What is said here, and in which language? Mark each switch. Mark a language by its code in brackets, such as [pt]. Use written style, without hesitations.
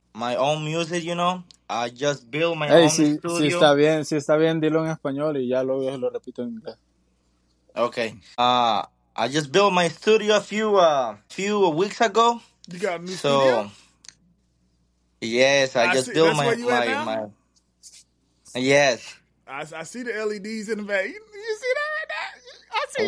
[en] my own music, you know. I just built my own studio. [es] Si está bien, si está bien, dilo en español y ya luego lo repito en inglés. [en] Okay. I just built my studio a few weeks ago. You got a new studio? Yes, I built my Yes. I see the LEDs in the back. You see that right there? I see